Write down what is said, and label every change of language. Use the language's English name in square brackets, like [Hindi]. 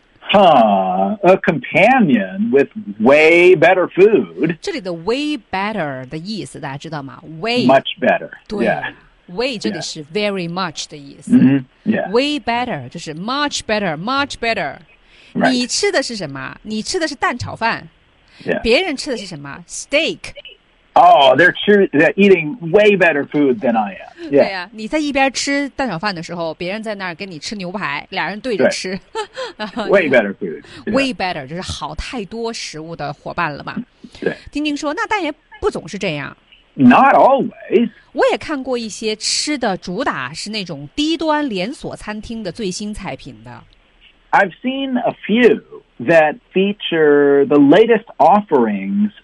[English] Huh, a companion with way better food。 [Chinese] 这里的 way better 的意思大家知道吗 ？Way [English] much better [Chinese] 对。对、yeah. ，way 这里是 [English] very much [Chinese] 的意思。 [English] Mm-hmm. Yeah. Way better [Chinese] 就是 [English] much better, much better、 right.。 [Chinese] 你吃的是什么？你吃的是蛋炒饭。 [English] Yeah. [Chinese] 别人吃的是什么 ？Steak。 [English] Oh, they're eating way better food than I am. Yeah. [Chinese] 对呀、啊，你在一边吃蛋炒饭的时候，别人在那儿跟你吃牛排，俩人对着吃。 [English] Right. Way better food.、Yeah. [Chinese] Way better 就是好太多食物的伙伴了嘛。对。丁丁说：“那但也不总是这样。” [English] Not always. [Chinese] 我也看过一些吃的主打是那种低端连锁餐厅的最新菜品的。 [English] I've seen a few that feature the latest offerings.